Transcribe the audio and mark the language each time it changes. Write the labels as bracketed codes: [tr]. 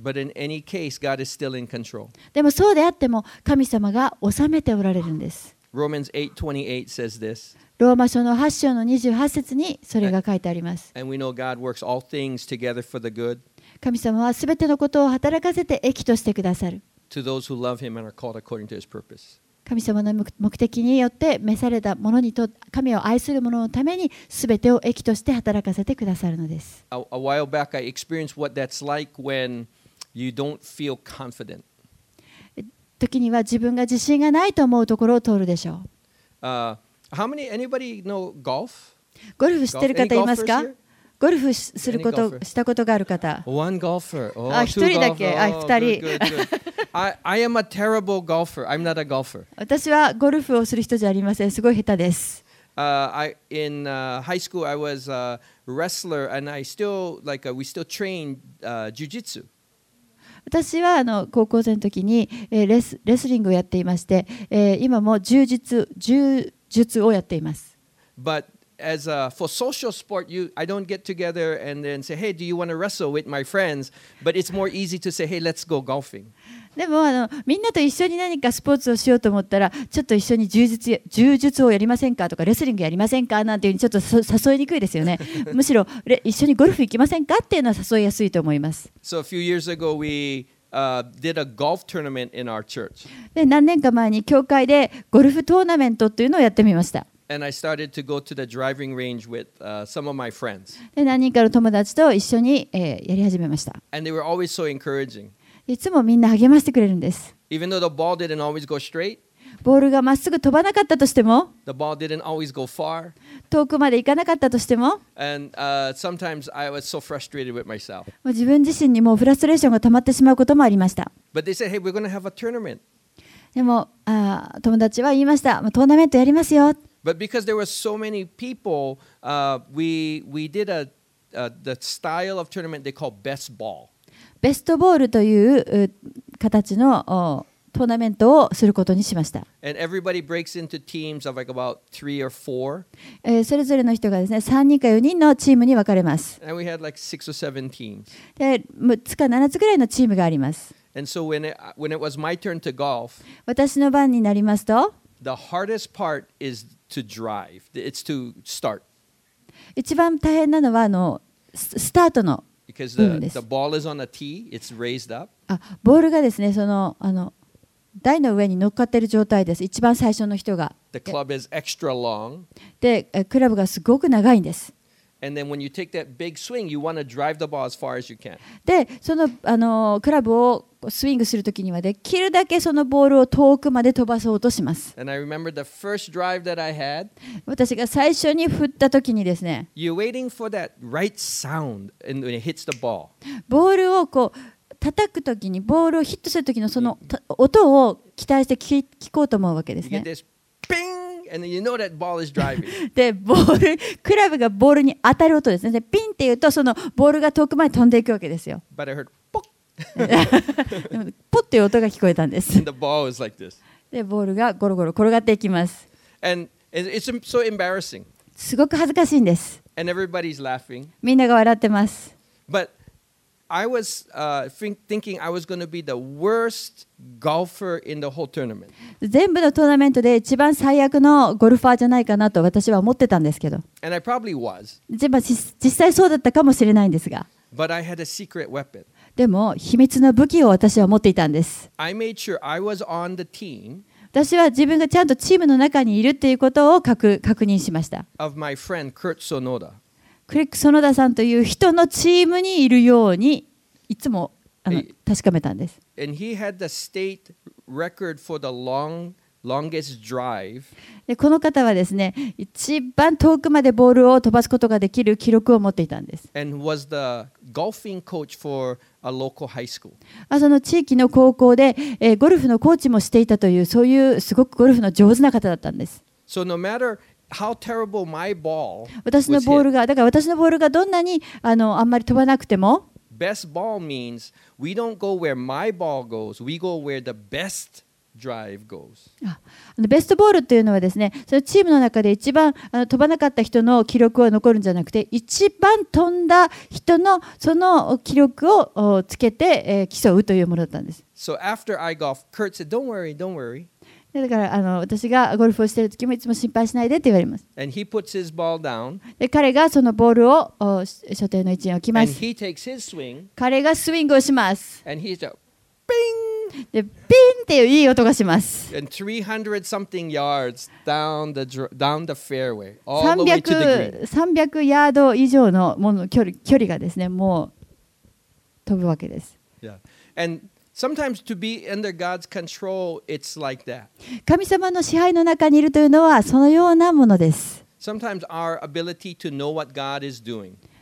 [en] But in any case, God is still in control. [ja] でもそうであっても神様が治めておられるんです。 [en] Romans 8:28 says this. [ja] ローマ書の8章の28節にそれが書いてあります。 [en] And we know God works all things together for the good. [ja] 神様はすべてのことを働かせて益としてくださる。 [en] To those who love Him and are called according to His purpose. [ja] 神様の目的によって召されたものにと、神を愛する者のためにすべてを益として働かせてくださるのです。 [en] A while back, I experienced what that's like when you don't feel confident. [ja] 時には自分が自信がないと思うところを通るでしょう。 [en] How many anybody know golf? [ja] ゴルフ知ってる方いますか？ゴルフすることしたことがある方。 [en] One golfer. [ja] Oh, 一人だけ。あ、二人。 [en] I am a terrible golfer. I'm not a golfer. [ja] 私はゴルフをする人じゃありません。すごい下手です。 [en] In high school, I was a wrestler, and I still like we still trained jiu-jitsu. [ja] 私は高校生の時にレスリングをやっていまして、今も柔術をやっています。 [en] But as a for social sport, you I don't get together and then say, hey, do you want to wrestle with my friends? But it's more easy to say, hey, let's go golfing. [ja] でもみんなと一緒に何かスポーツをしようと思ったら、ちょっと一緒に柔術をやりませんかとかレスリングやりませんかなんていうふうにちょっと誘いにくいですよね。むしろ一緒にゴルフ行きませんかっていうのは誘いやすいと思います。 [en] So a few years ago, we did a golf tournament in our church. [ja] で何年か前に教会でゴルフトーナメントっていうのをやってみました。 [en] And I started to go to the driving range with some of my friends. [ja] で何人かの友達と一緒に、やり始めました。 [en] And they were always so encouraging. [ja] いつもみんな励ましてくれるんです。 [en] Even though the ball didn't always go straight, [ja] ボールがまっすぐ飛ばなかったとしても、 [en] the ball didn't always go far, [ja] 遠くまで行かなかったとしても、 [en] and, sometimes I was so frustrated with myself. [ja] 自分自身にもうフラストレーションが溜まってしまうこともありました。 [en] But they said, hey, we're gonna have a tournament. [ja] でも、友達は言いました、トーナメントやりますよ。 [en] But because there were so many people, we did the style of tournament they call best ball. [ja] ベストボールという形のトーナメントをすることにしました。 [en] And everybody breaks into teams of like about three or four. [ja] それぞれの人がですね、3人か4人のチームに分かれます。 [en] And we had like six or seven teams. [ja] で、6つか7つぐらいのチームがあります。 [en] And so when it was my turn to golf, [ja] 私の番になりますと、 [en] the hardest part is to drive. It's to start. [ja] 一番大変なのはスタートの部分です。 [en] Because the ball is on a tee, it's raised up. [ja] あ、ボールがですね、その台の上に乗っかっている状態です。一番最初の人が。 [en] The club is extra long. [ja] で、クラブがすごく長いんです。 [en] And then when you take that big swing, you want to drive the ball as far as you can. [ja] で、クラブをスイングするときにはできるだけそのボールを遠くまで飛ばそうとします。 [en] And I remember the first drive that I had. [ja] 私が最初に振ったときにですね。 [en] You're waiting for that right sound when it hits the ball. [ja] ボールをこう叩くときにボールをヒットするときのその音を期待して聞こうと思うわけですね。 [en] You get this ping, and you know that ball is driving. [ja] で、ボール、クラブがボールに当たる音ですね。で、ピンって言うとそのボールが遠くまで飛んでいくわけですよ。 [en] But I heard ポ [ja] ッ。ポッという音が聞こえたんです。 [en] And the ball is like this. [ja] で、ボールがゴロゴロ転がっていきます。 [en] And it's so embarrassing. [ja] すごく恥ずかしいんです。 [en] And everybody's laughing. [ja] みんなが笑ってます。 [en] ButI was thinking I was going to be the worst golfer in the whole tournament. [ja] 全部のトーナメントで一番最悪のゴルファーじゃないかなと私は思ってたんですけど。 [en] And I probably was. [ja] 実際そうだったかもしれないんですが。 [en] But I had a secret weapon. [ja] でも秘密の武器を私は持っていたんです。 [en] I made sure I was on the team. [ja] 私は自分がちゃんとチームの中にいるっていうことを確認しました。 [en] Of my friend Kurt Sonoda. [ja] クリック・ソノダさんという人のチームにいるようにいつも確かめたんです。 [en] And he had the state record for the longest drive. [ja] で、この方はですね、一番遠くまでボールを飛ばすことができる記録を持っていたんです。 [en] And was the golfing coach for a local high school. [ja] その地域の高校で、ゴルフのコーチもしていたという、そういうすごくゴルフの上手な方だったんです。 [en] So no matterHow terrible my ball was hit. [ja] 私のボールが、だから私のボールがどんなにあんまり飛ばなくても。 [en] Best ball means we don't go where my ball goes, we go where the best drive goes. [ja] ベストボールというのはですね、そのチームの中で一番飛ばなかった人の記録は残るんじゃなくて、一番飛んだ人のその記録をつけて競うというものだったんです。 [en] So after I golfed, Kurt said, don't worry, don't worry. [ja] だから私がゴルフをしているときもいつも心配しないでって言われます。 [en] And he puts his ball down. [ja] で、彼がそのボールを所定の位置に置きます。 [en] And he takes his swing. [ja] 彼がスイングをします。 [en] And he's a ping. [ja] で、ピンっていういい音がします。 [en] And 300 something yards down the fairway, all the way to the green. [ja] 300ヤード以上のもの距離がですね、もう飛ぶわけです。 [en] Yeah. And Sometimes to be under God's control, it's like that. [ja] 神様の支配の中にいるというのはそのようなものです。 [en] Sometimes our ability to know what God is doing.